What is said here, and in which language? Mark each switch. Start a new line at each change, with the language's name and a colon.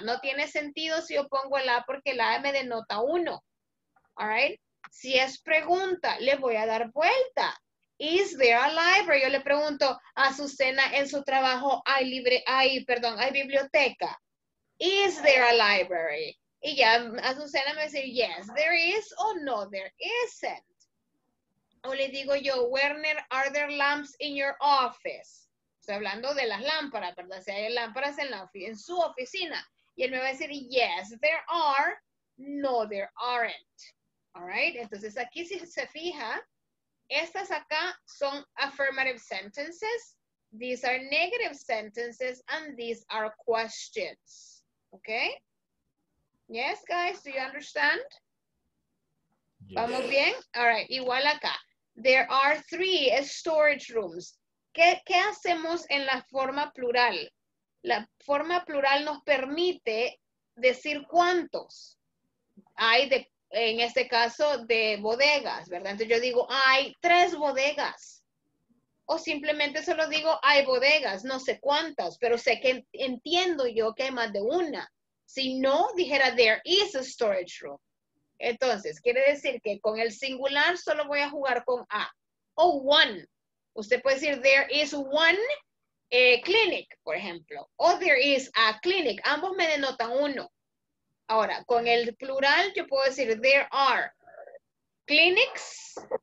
Spanish: No tiene sentido si yo pongo el A porque el A me denota uno.
English: All right?
Spanish: Si es pregunta, le voy a dar vuelta.
English: Is there a library?
Spanish: Yo le pregunto a Azucena en su trabajo, hay biblioteca. Is there a library? Y ya Azucena me dice,
English: yes, there is or no, there isn't.
Spanish: O le digo yo,
English: Werner, are there lamps in your office?
Spanish: Estoy hablando de las lámparas, ¿verdad? Si hay lámparas en su oficina. Y él me va a decir,
English: yes, there are. No, there aren't. All right?
Spanish: Entonces, aquí si se fija, estas acá son affirmative sentences.
English: These are negative sentences. And these are questions. Okay? Yes, guys? Do you understand? Yes.
Spanish: ¿Vamos bien?
English: All right.
Spanish: Igual acá.
English: There are three storage rooms.
Spanish: ¿Qué hacemos en la forma plural? La forma plural nos permite decir cuántos hay, en este caso, de bodegas, ¿verdad? Entonces yo digo, hay tres bodegas. O simplemente solo digo, hay bodegas, no sé cuántas, pero sé que entiendo yo que hay más de una. Si no, dijera,
English: there is a storage room.
Spanish: Entonces, quiere decir que con el singular solo voy a jugar con a. O one. Usted puede decir,
English: there is one clinic,
Spanish: por ejemplo. O
English: there is a clinic.
Spanish: Ambos me denotan uno. Ahora, con el plural, yo puedo decir,
English: there are clinics.